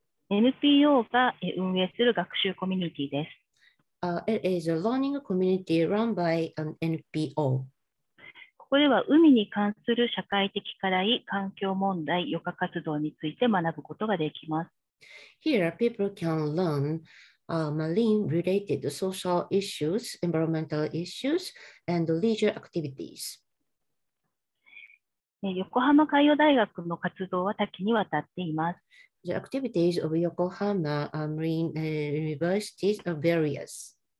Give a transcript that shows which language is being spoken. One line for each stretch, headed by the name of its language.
Japanese: NPO が運営する学習コミュニティです。
English: It is a learning community run by an NPO.
Japanese: ここでは海に関する社会的課題、環境問題、余暇活動について学ぶことができます。
English: Here, people can learn. Marine related social issues, environmental issues, and leisure activities.
Japanese: 横浜海洋大学の活動は多岐にわたっています。
English: The activities of Yokohama Marine University are various.